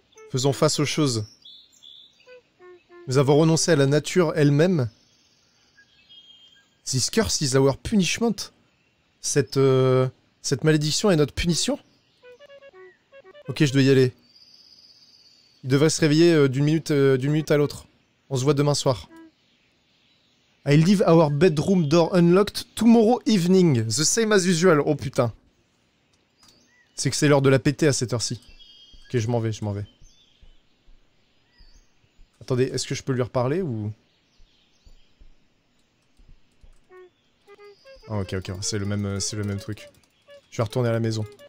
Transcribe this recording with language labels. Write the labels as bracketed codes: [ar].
[fr] Faisons face aux choses. Nous avons renoncé à la nature elle-même. [en] This curse is our punishment. [fr] Cette malédiction est notre punition. Ok, je dois y aller. Il devrait se réveiller d'une minute à l'autre. On se voit demain soir. [en] I leave our bedroom door unlocked tomorrow evening. The same as usual. [fr] Oh putain. C'est que c'est l'heure de la péter à cette heure-ci. Ok, je m'en vais. Attendez, est-ce que je peux lui reparler ou... Oh, ok, c'est le même truc. Je vais retourner à la maison.